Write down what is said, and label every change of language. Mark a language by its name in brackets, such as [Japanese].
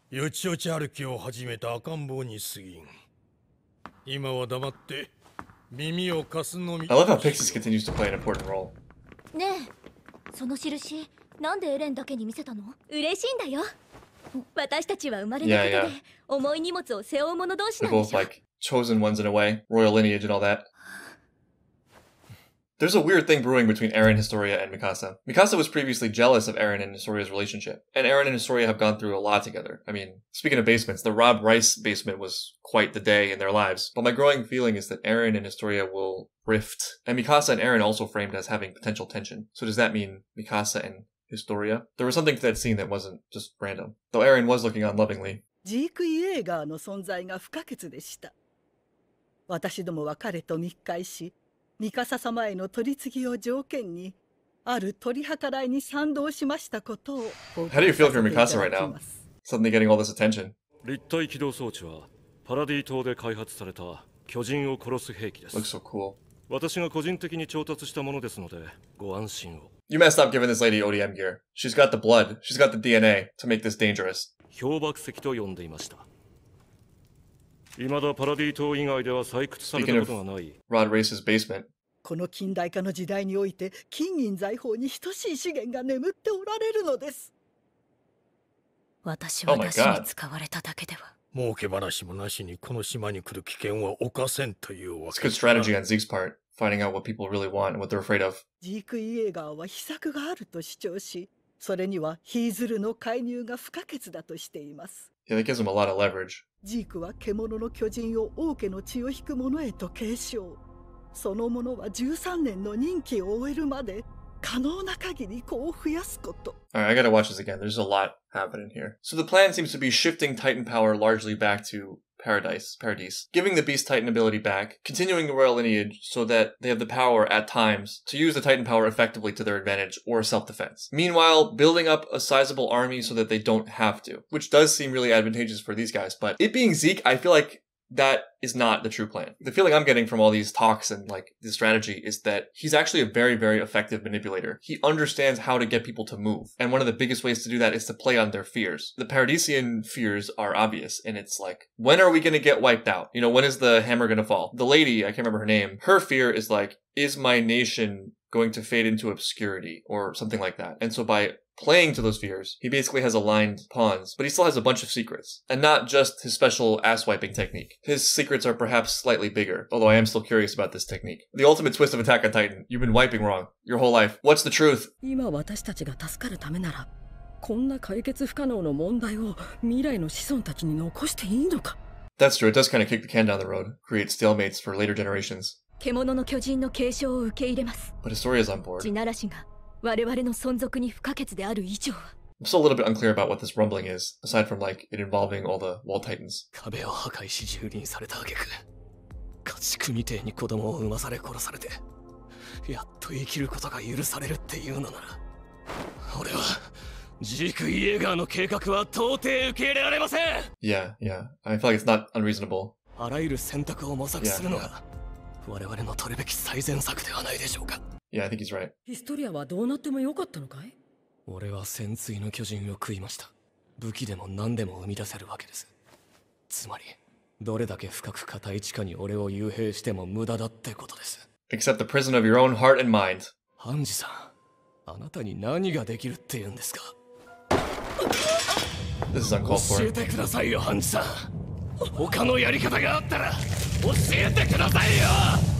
[Japanese] よちよち歩きを始めた赤ん坊に過ぎん。今は黙って耳を貸すのみ。 [English] I love how Pixis continues to play an important role. [Japanese] ねえ、その印、なんでエレンだけに見せたの？嬉しいんだよ。私たちは生まれたことで、重い荷物を背負う者同士なんでしょ。 [English] They're both like chosen ones in a way, royal lineage and all that. There's a weird thing brewing between Eren, Historia, and Mikasa. Mikasa was previously jealous of Eren and Historia's relationship, and Eren and Historia have gone through a lot together. I mean, speaking of basements, the Rob Rice basement was quite the day in their lives, but my growing feeling is that Eren and Historia will rift, and Mikasa and Eren also framed as having potential tension. So does that mean Mikasa and Historia? There was something to that scene that wasn't just random, though Eren was looking on lovingly. [Japanese] Jeek Yeager の存在が不可欠でした。私どもは彼と密会し、ミカサ様への取り次ぎを条件に、ある取り計らいに賛同しましたことを。 [English] How do you feel for Mikasa right now? Suddenly getting all this attention. [Japanese] 立体機動装置はパラディ島で開発された巨人を殺す兵器です。 [English] Looks so cool. [Japanese] 私が個人的に調達したものですので、ご安心を。 [English] You messed up giving this lady ODM gear. She's got the blood. She's got the DNA to make this dangerous. [Japanese] 氷爆石と呼んでいました。未だパラディ島以外では採掘されたことがない。 [English] Rod Race's basement. [Japanese] この近代化の時代において金銀財宝に等しい資源が眠っておられるのです。私は出しに使われただけでは。儲け話もなしにこの島に来る危険は犯せんというわけ。 [English] It's a good strategy on Zeke's part, finding out what people really want and what they're afraid of. [Japanese] ジーク・イエガーは秘策があると主張し、それにはヒーズルの介入が不可欠だとしています。 [English] Yeah, that gives him a lot of leverage. [Japanese] ジークは獣の巨人を王家の血を引く者へと継承。その者は13年の任期を終えるまで可能な限り子を増やすこと。 [English] Alright, I gotta watch this again. There's a lot happening here. So the plan seems to be shifting Titan power largely back to Paradise, giving the Beast Titan ability back, continuing the royal lineage so that they have the power at times to use the Titan power effectively to their advantage or self-defense. Meanwhile, building up a sizable army so that they don't have to, which does seem really advantageous for these guys, but it being Zeke, I feel like that is not the true plan. The feeling I'm getting from all these talks and like the strategy is that he's actually a very, very effective manipulator. He understands how to get people to move. And one of the biggest ways to do that is to play on their fears. The Paradisian fears are obvious. And it's like, when are we going to get wiped out? You know, when is the hammer going to fall? The lady, I can't remember her name, her fear is like, is my nation going to fade into obscurity or something like that? And so by playing to those fears, he basically has aligned pawns, but he still has a bunch of secrets. And not just his special ass-wiping technique. His secrets are perhaps slightly bigger, although I am still curious about this technique. The ultimate twist of Attack on Titan. You've been wiping wrong your whole life. What's the truth? [Japanese] 今私たちが助かるためなら、こんな解決不可能の問題を未来の子孫たちに残していいのか? [English] That's true. It does kind of kick the can down the road. Create stalemates for later generations. [Japanese] 獣の巨人の継承を受け入れます。 [English] But Historia's on board. [Japanese] 地ならしが。我々の存続に不可欠である以上は。 [English] I'm still a little bit unclear about what this rumbling is, aside from like it involving all the wall titans. [Japanese] 壁を破壊し蹂躙された挙句、家畜みてえに子供を産まされ殺されて、やっと生きることが許されるっていうのなら、俺はジークイエガーの計画は到底受け入れられません。 [English] Yeah, yeah. I feel like it's not unreasonable. [Japanese] あらゆる選択を模索するのが我々の取るべき最善策ではないでしょうか。 [English] Yeah, I think he's right. [Japanese] Historia はどうなってもよかったのかい？俺は潜水の巨人を食いました。武器でも何でも生み出せるわけです。つまり、どれだけ深く固い地下に俺を幽閉しても無駄だってことです。 [English] Except the prison of your own heart and mind. [Japanese] ハンジさん、あなたに何ができるって言うんですか？ [English] This is uncalled for. [Japanese] 教えてくださいよ、ハンジさん。他のやり方があったら、教えてくださいよ！